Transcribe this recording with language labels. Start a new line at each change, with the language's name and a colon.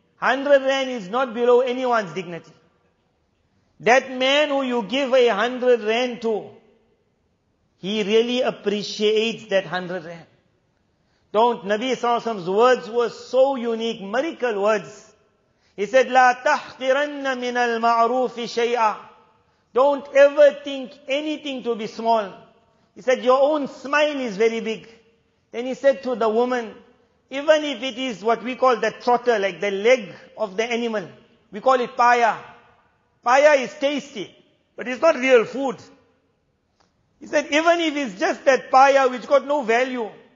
English: 100 rand is not below anyone's dignity. That man who you give a 100 rand to, he really appreciates that 100 rand. Don't, Nabi Sallallahu Alaihi Wasallam's words were so unique, miracle words. He said,
Arabic: لا تحقرن من المعروف شيئا.
English: Don't ever think anything to be small. He said, your own smile is very big. Then he said to the woman, even if it is what we call the trotter, like the leg of the animal, we call it paya. Paya is tasty, but it's not real food. He said, even if it's just that paya which got no value.